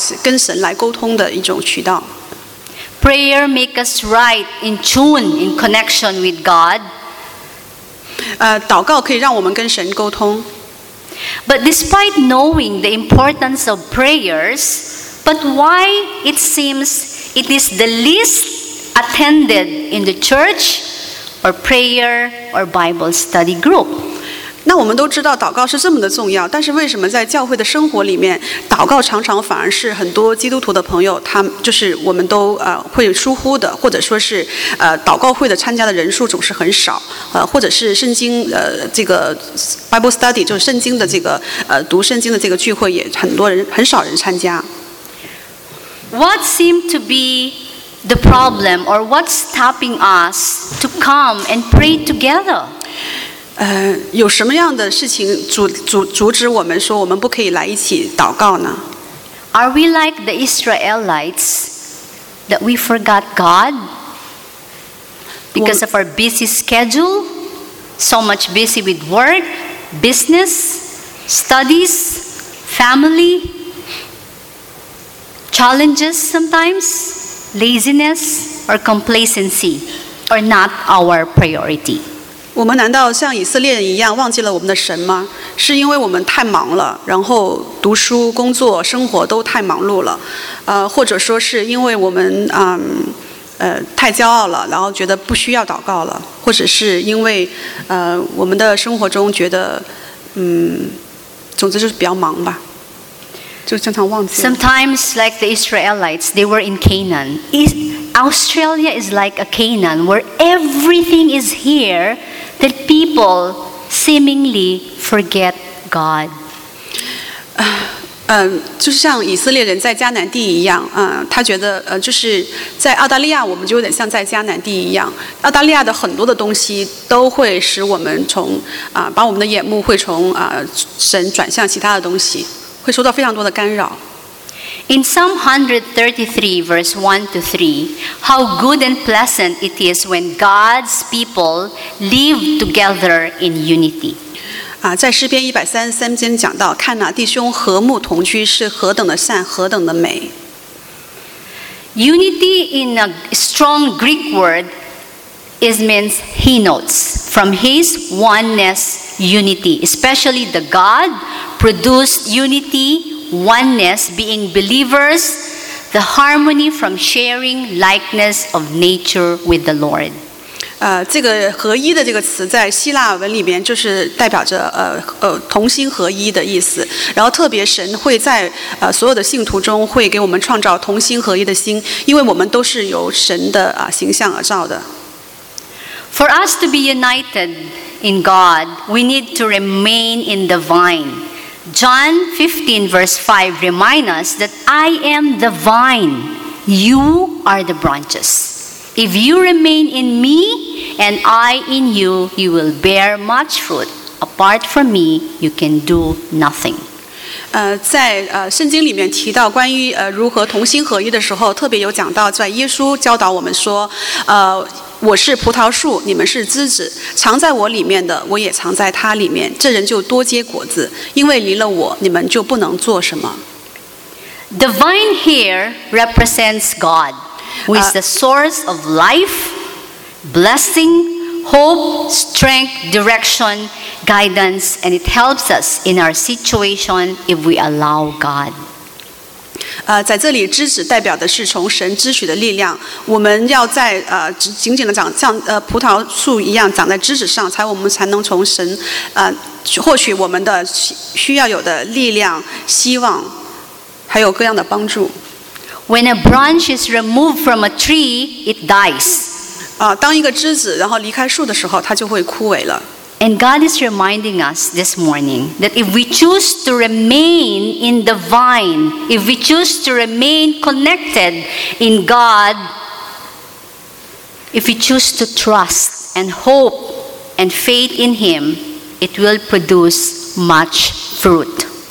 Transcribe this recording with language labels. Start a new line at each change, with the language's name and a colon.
Chinese: 它是我们通过祷告，是我们的一种渠道，来跟神来沟通的一种渠道。
English: Prayer make us right in tune, in connection with God.
Chinese: 祷告可以让我们跟神沟通。
English: But despite knowing the importance of prayers, but why it seems it is the least attended in the church, or prayer, or Bible study group.
Chinese: 那我们都知道祷告是这么的重要，但是为什么在教会的生活里面，祷告常常反而是很多基督徒的朋友，他们就是我们都会疏忽的，或者说是祷告会的参加的人数总是很少，或者是圣经这个 Bible study 就是圣经的这个读圣经的这个聚会也很少人参加。
English: What seem to be the problem or what's stopping us to come and pray together?
Chinese: 有什么样的事情阻止我们说我们不可以来一起祷告呢？
English: Are we like the Israelites that we forgot God because of our busy schedule? So much busy with work, business, studies, family, challenges sometimes, laziness or complacency are not our priority.
Chinese: 我们难道像以色列人一样忘记了我们的神吗？是因为我们太忙了，然后读书、工作、生活都太忙碌了，或者说是因为我们太骄傲了，然后觉得不需要祷告了，或者是因为我们的生活中觉得总之就是比较忙吧，就经常忘记了。
English: Sometimes like the Israelites, they were in Canaan. Australia is like a Canaan where everything is here that people seemingly forget God.
Chinese: 就像以色列人在迦南地一样，他觉得就是在澳大利亚，我们就有点像在迦南地一样。澳大利亚的很多的东西都会使我们从把我们的眼目会从神转向其他的东西，会受到非常多的干扰。
English: In Psalm 133, verse 1-3, how good and pleasant it is when God's people live together in unity.
Chinese: 在诗篇133篇讲到，看哪，弟兄和睦同居是何等的善，何等的美。
English: Unity in a strong Greek word is means he notes from his oneness unity, especially the God produced unity. Oneness being believers, the harmony from sharing likeness of nature with the Lord.
Chinese: 这个合一的这个词在希腊文里面就是代表着同心合一的意思。然后特别神会在所有的信徒中会给我们创造同心合一的心，因为我们都是由神的形象而造的。
English: For us to be united in God, we need to remain in the vine. John 15 verse 5 reminds us that I am the vine, you are the branches. If you remain in me and I in you, you will bear much fruit. Apart from me, you can do nothing.
Chinese: 在圣经里面提到关于如何同心合一的时候，特别有讲到，在耶稣教导我们说，我是葡萄树，你们是枝子，藏在我里面的，我也藏在他里面，这人就多结果子，因为离了我，你们就不能做什么。
English: The vine here represents God, who is the source of life, blessing, hope, strength, direction. Guidance, and it helps us in our situation if we allow God.
Chinese: 在这里枝子代表的是从神支取的力量，我们要在紧紧的长像葡萄树一样长在枝子上，才我们才能从神获取我们的需要有的力量、希望，还有各样的帮助。
English: When a branch is removed from a tree, it dies.
Chinese: 当一个枝子然后离开树的时候，它就会枯萎了。
English: And God is reminding us this morning that if we choose to remain in the vine, if we choose to remain connected in God, if we choose to trust and hope and faith in Him, it will produce much fruit.